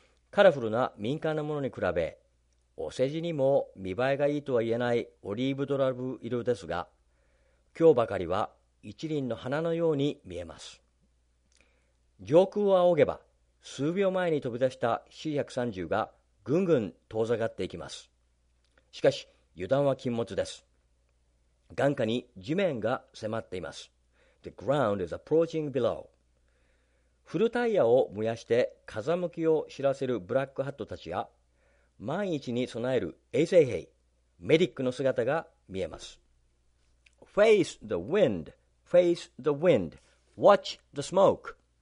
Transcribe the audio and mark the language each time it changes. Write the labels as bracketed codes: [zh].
[ja] カラフルな民間のものに比べ、お世辞にも見栄えがいいとは言えないオリーブドラブ色ですが、今日ばかりは一輪の花のように見えます。上空を仰げば、数秒前に飛び出した C-130 がぐんぐん遠ざかっていきます。しかし油断は禁物です。眼下に地面が迫っています。 [en] The ground is approaching below。 [ja] フルタイヤを燃やして風向きを知らせるブラックハットたちや、万一に備える衛生兵、メディックの姿が見えます。 [en] Face the wind, face the wind, watch the smoke。